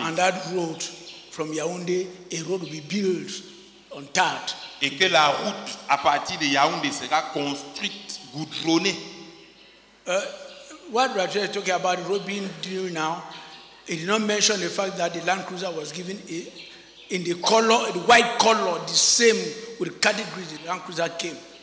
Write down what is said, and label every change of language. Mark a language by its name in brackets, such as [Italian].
[English] And that road from Yaoundé, a road will be built on tarred. [French] Et que la route à partir de Yaoundé sera construite, goudronnée. [English] What Rachel is talking about, the road being due now, he did not mention the fact that the Land Cruiser was given in the color, the white color, the same with the category the Land Cruiser came.